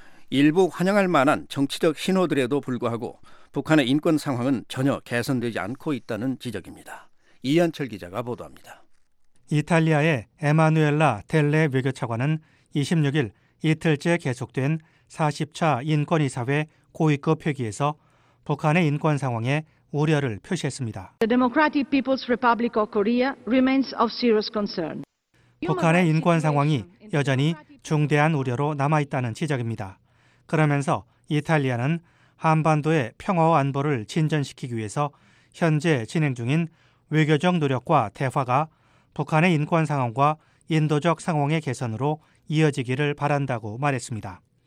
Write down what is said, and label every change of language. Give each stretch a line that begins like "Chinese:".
Korean: 일부 환영할 만한 정치적 신호들에도 불구하고 북한의 인권 상황은 전혀 개선되지 않고 있다는 지적입니다. 이한철 기자가 보도합니다. 이탈리아의 에마누엘라 델레 외교차관은 26일 이틀째 계속된 40차 인권이사회 고위급 회기에서 북한의 인권 상황에 우려를 표시했습니다.
English: The Democratic People's Republic of Korea remains of serious concern.
Korean: 북한의 인권 상황이 여전히 중대한 우려로 남아있다는 지적입니다. 그러면서 이탈리아는 한반도의 평화와 안보를 진전시키기 위해서 현재 진행 중인 외교적 노력과 대화가 북한의 인권 상황과 인도적 상황의 개선으로 이어지기를 바란다고 말했습니다.